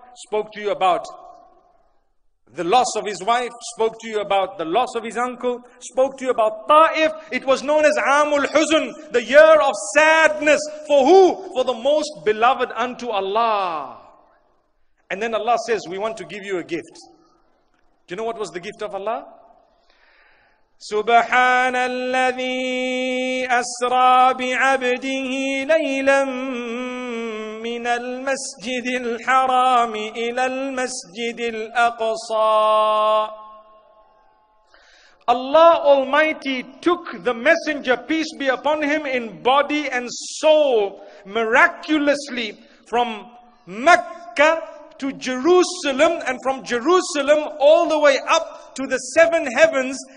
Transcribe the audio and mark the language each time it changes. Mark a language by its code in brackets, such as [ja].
[en] Spoke to you about the loss of his wife, spoke to you about the loss of his uncle, spoke to you about Taif. It was known as Amul Huzn, the year of sadness. For who? For the most beloved unto Allah. And then Allah says, we want to give you a gift. Do you know what was the gift of Allah? [ar] سبحان الذي أسرى بعبده ليلا من المسجد الحرام إلى المسجد الأقصى. [en] Allah Almighty took the messenger, peace be upon him, in body and soul, miraculously from Mecca to Jerusalem and from Jerusalem all the way up to the seven heavens.